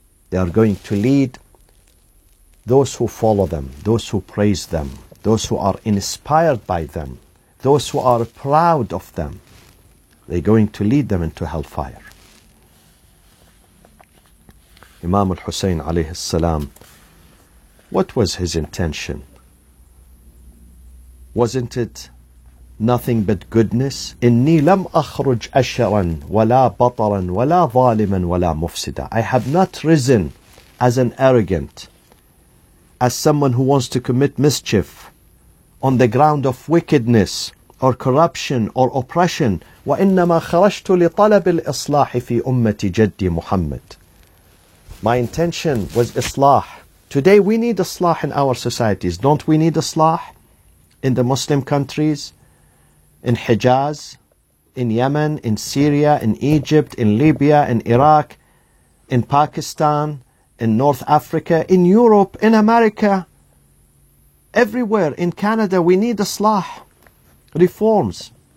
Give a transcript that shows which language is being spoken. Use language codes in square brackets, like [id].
[en] They are going to lead those who follow them, those who praise them, those who are inspired by them, those who are proud of them. They're going to lead them into hellfire. Imam al-Hussein alayhi salam, what was his intention? Wasn't it nothing but goodness? [ar] إني لم أخرج أشرا ولا بطرا ولا ظالما ولا مفسدا. [en] I have not risen as an arrogant, as someone who wants to commit mischief on the ground of wickedness or corruption or oppression. [ar] وإنما خرجت لطلب الإصلاح في أمة جدي محمد. [en] My intention was إصلاح. Today we need إصلاح in our societies. Don't we need إصلاح in the Muslim countries? In Hijaz, in Yemen, in Syria, in Egypt, in Libya, in Iraq, in Pakistan, in North Africa, in Europe, in America, everywhere, in Canada, we need islah, reforms.